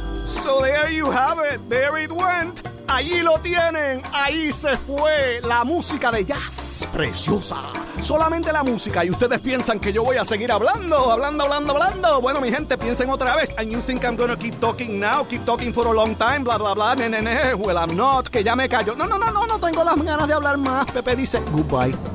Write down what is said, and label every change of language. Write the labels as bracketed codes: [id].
[en] So there you have it, there it went. [es] Allí lo tienen, ahí se fue la música de jazz, preciosa. Solamente la música, y ustedes piensan que yo voy a seguir hablando, hablando, hablando, hablando. Bueno, mi gente, piensen otra vez. [en] And you think I'm gonna keep talking now, keep talking for a long time, blah, blah, blah, ne, well, I'm not, [es] que ya me callo. No, no, no, no, no tengo las ganas de hablar más. Pepe dice goodbye.